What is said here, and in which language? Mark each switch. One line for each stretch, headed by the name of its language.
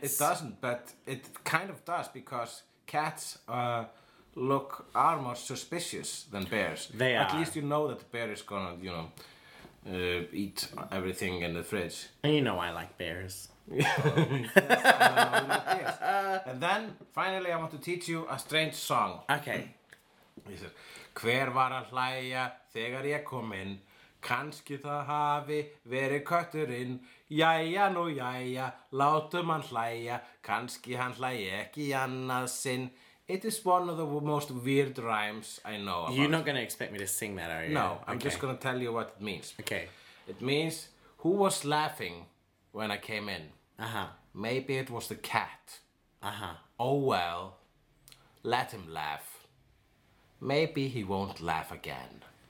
English: It doesn't, but it kind of does because cats are more suspicious than bears. They are. At least you know that the bear is gonna, you know, eat everything in the fridge. And you know I like bears. Yes, I know what it is. And then, finally, I want to teach you a strange song. Okay. He says,
Icelandic: hver var að hlæja þegar ég kom inn? Kannski það hafi verið kötturinn. Jæja nú jæja, látum hann hlæja. Kannski hann hlæja ekki annað sinn.
English: It is one of the most weird rhymes I know about. You're not going to expect me to sing that, are you? No, I'm just going to tell you what it means. Okay. It means, who was laughing when I came in? Uh-huh. Maybe it was the cat. Uh-huh. Oh, well, let him laugh. Maybe he won't laugh again.